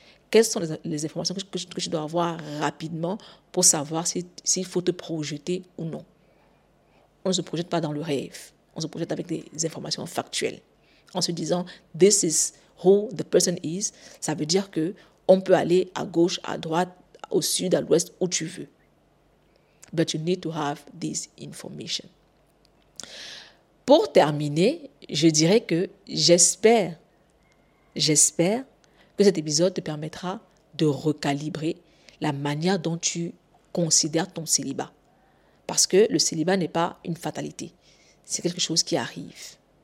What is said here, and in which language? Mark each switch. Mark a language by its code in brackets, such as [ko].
[fr] Quelles sont les informations que tu dois avoir rapidement pour savoir s'il faut te projeter ou non? On ne se projette pas dans le rêve. On se projette avec des informations factuelles. En se disant, [en] this is who the person is, [fr] ça veut dire qu'on peut aller à gauche, à droite, au sud, à l'ouest, où tu veux. [en] But you need to have this information. [fr] Pour terminer, je dirais que j'espère que cet épisode te permettra de recalibrer la manière dont tu considères ton célibat. Parce que le célibat n'est pas une fatalité. C'est quelque chose qui arrive.